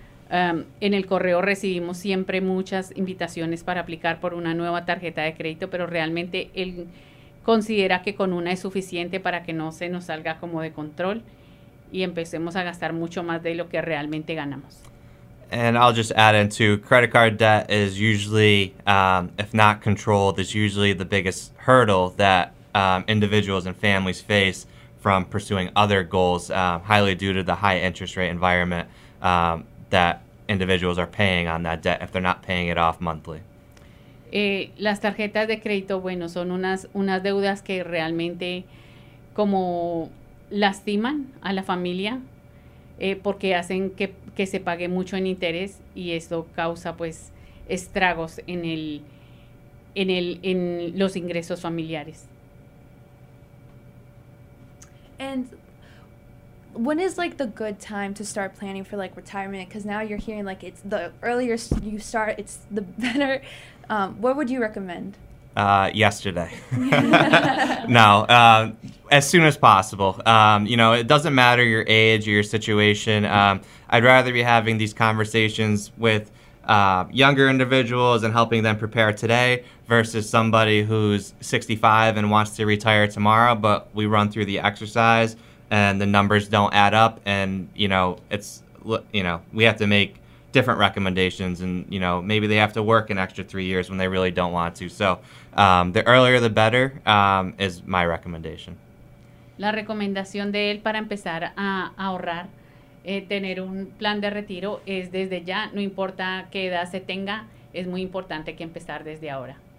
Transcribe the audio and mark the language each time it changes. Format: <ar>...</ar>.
<es>en el correo recibimos siempre muchas invitaciones para aplicar por una nueva tarjeta de crédito, pero realmente él considera que con una es suficiente para que no se nos salga como de control y empecemos a gastar mucho más de lo que realmente ganamos.</es> <en>And I'll just add in too, credit card debt is usually, if not controlled, is usually the biggest hurdle that individuals and families face from pursuing other goals, highly due to the high interest rate environment that individuals are paying on that debt if they're not paying it off monthly.</en> <es>Las tarjetas de crédito, bueno, son unas deudas que realmente como lastiman a la familia, porque hacen que se pague mucho en interés, y esto causa pues estragos en los ingresos familiares.</es> <en>When is like the good time to start planning for like retirement? Because now you're hearing like it's the earlier you start, it's the better. What would you recommend? Yesterday. No, as soon as possible. You know, it doesn't matter your age or your situation. I'd rather be having these conversations with younger individuals and helping them prepare today versus somebody who's 65 and wants to retire tomorrow, but we run through the exercise and the numbers don't add up, and, you know, it's, you know, we have to make different recommendations, and, you know, maybe they have to work an extra 3 years when they really don't want to. So the earlier the better is my recommendation.</en> <es>La recomendación de él para empezar a ahorrar, tener un plan de retiro, es desde ya, no importa qué edad se tenga, es muy importante que empezar desde ahora.</es>